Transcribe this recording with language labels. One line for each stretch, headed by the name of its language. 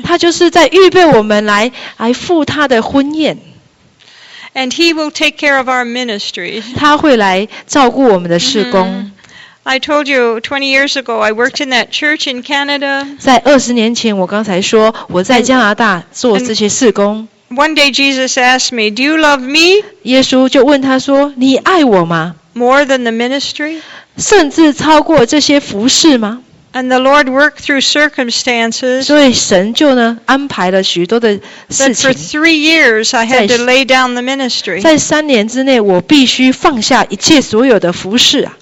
Chinese: 他就是在预备我们来赴他的婚宴。
English: And he will take care of our ministry.
Chinese: 他会来照顾我们的事工。
English: I told you 20 years ago I worked in that church in Canada.
Chinese: 在20年前，我刚才说我在加拿大做这些事工。
English: One day Jesus asked me, "Do you love me?"
Chinese: 耶稣就问他说：“你爱我吗？”
English: More than the ministry.
Chinese: 甚至超过这些服事吗？
English: And the Lord worked through circumstances.
Chinese: 所以神就呢安排了许多的事情。
English: But for 3 years, I had to lay down the ministry.
Chinese: 在三年之内，我必须放下一切所有的服事啊。